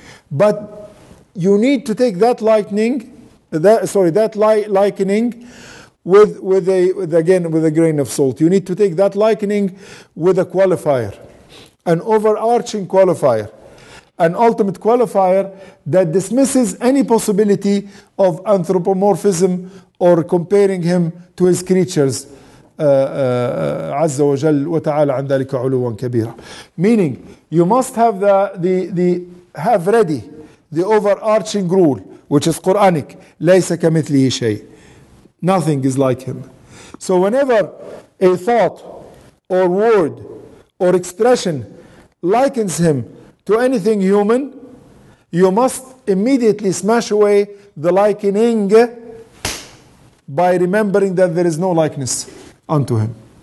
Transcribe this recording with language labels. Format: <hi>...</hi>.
<en>But you need to take that likening, likening with a grain of salt. You need to take that likening with a qualifier, an overarching qualifier, an ultimate qualifier that dismisses any possibility of anthropomorphism or comparing him to his creatures.</en> <ar>عز وجل وتعالى عن ذلك علوا كبيرا.</ar> <en>Meaning, you must have the the overarching rule, which is Quranic.</en> <ar>ليس كمثله شيء.</ar> <en>Nothing is like him. So whenever a thought or word or expression likens him to anything human, you must immediately smash away the likening by remembering that there is no likeness unto him.</en>